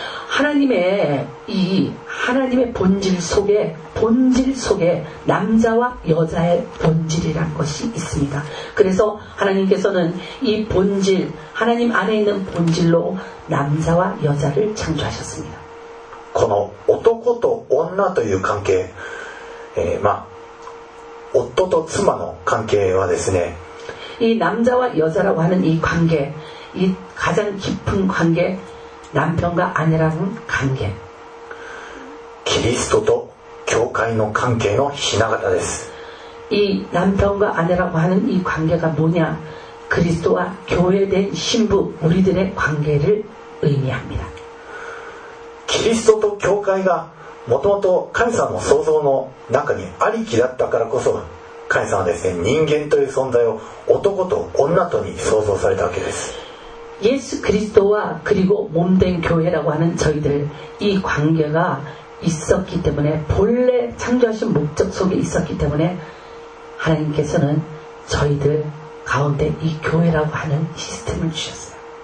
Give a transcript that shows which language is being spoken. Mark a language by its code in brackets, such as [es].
[ko] 하나님의이하나님의본질속에남자와여자의본질이란것이있습니다그래서하나님께서는이본질하나님안에있는본질로남자와여자를창조하셨습니다 [ja] この男と女という関係、まあ、夫と妻の関係はですね、 [ko] 이남자와여자라고하는이관계、이가장깊은관계、남편과아내라는관계、 [ja] キリストと教会の関係のひな形です。 [ko] 이남편과아내라고하는이관계가뭐냐、그리스도와교회된신부、우리들의관계를의미합니다。 [ja] キリストと教会がもともと神様の創造の中にありきだったからこそ、神様はですね、人間という存在を男と女とに創造されたわけです。イエス・キリストは、 [ko] 그리고몸된교회라고하는저희들、이관계가있었기때문에、본래창조하신목적속에있었기때문에、하나님께서는저희들가운데이교회라고하는시스템을주셨어요。